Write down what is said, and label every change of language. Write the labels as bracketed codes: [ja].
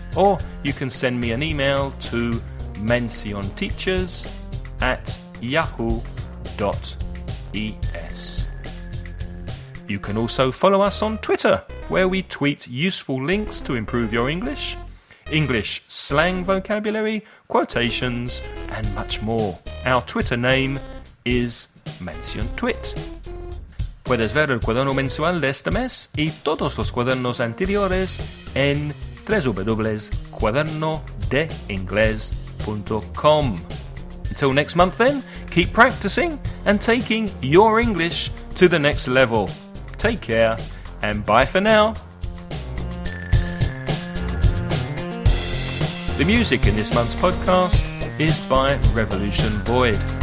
[en] Or you can send me an email to mencionteachers@yahoo.es. You can also follow us on Twitter, where we tweet useful links to improve your English, English slang vocabulary, quotations, and much more. Our Twitter name is MencionTwit. [es] Puedes ver el cuaderno mensual de este mes y todos los cuadernos anteriores en www.cuadernodeingles.com. [en] Until next month then, keep practicing and taking your English to the next level. Take care and bye for now. The music in this month's podcast is by Revolution Void.